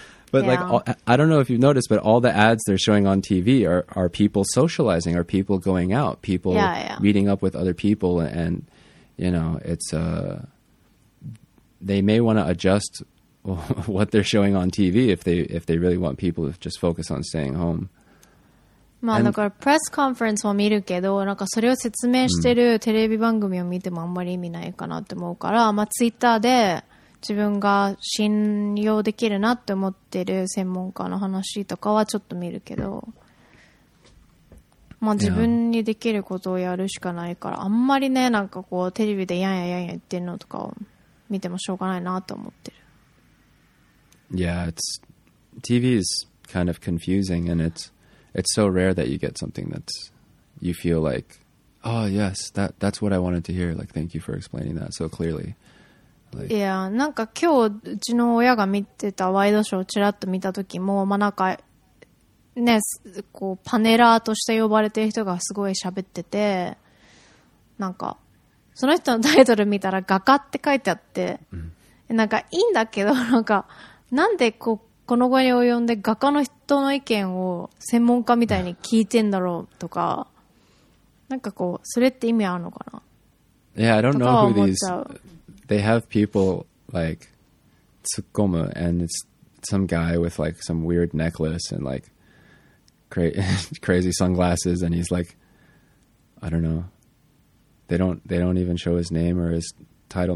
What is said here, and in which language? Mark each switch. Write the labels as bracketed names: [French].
[English] But like, I don't know if you've noticed, but all the ads they're showing on TV are people socializing, are people going out, people meeting up with other people. And, you know, it's, they may want to adjust what they're showing on TV if they really want people to just focus on staying home. [Japanese] まあ、だからプレスコンフェレンスも見るけど、なんかそれを説明してるテレビ番組を見てもあんまり意味ないかなって思うから、まあ、ツイッターで自分が信用できるなって思ってる専門家の話とかはちょっと見るけど、まあ、自分にできることをやるしかないから、あんまりね、なんかこうテレビでやんやんやんや言ってるのとかを見てもしょうがないなと思ってる。 [English] Yeah, TV is kind of confusing and it's so rare that you get something that's, you feel like, oh yes, that's what I wanted to hear. Like, thank you for explaining that so clearly. Like, yeah, [Japanese] なんか今日うちの親が見てたワイドショーをちらっと見た時も、まあ、なんかね、こうパネラーとして呼ばれてる人がすごい喋ってて、なんかその人のタイトル見たら画家って書いてあって、うん、なんかいいんだけど、なんかなんでこうこの場に及んで画家の人の意見を専門家みたいに聞いてんだろうとか、なんかこうそれって意味あるのかな。 [English] Yeah, I don't know who these they have people like tsukkomu and it's some guy with like some weird necklace and like crazy sunglasses and he's like I don't know, they don't even show his name or his title.